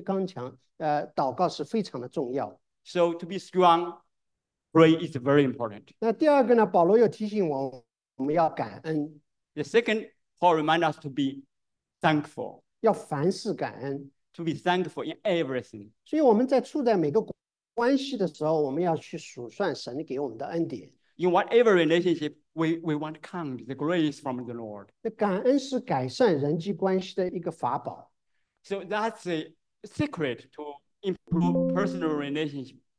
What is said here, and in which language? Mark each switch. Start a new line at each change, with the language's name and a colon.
Chinese: 那我希望这样，我可以告诉大家，就刚强，祷告是非常的重要。
English: So to be strong, pray is very important.
Chinese: 那第二个呢，保罗又提醒我们要感恩。
English: The second, Paul reminds us to be thankful.
Chinese: 要凡事感恩。
English: To be thankful in everything.
Chinese: 所以我们在处在每个关系的时候，我们要去数算神给我们的恩典。
English: In whatever relationship, we want to count the grace from the Lord.
Chinese: 感恩是改善人际关系的一个法宝。
English: So that's a secret to improve personal relationship.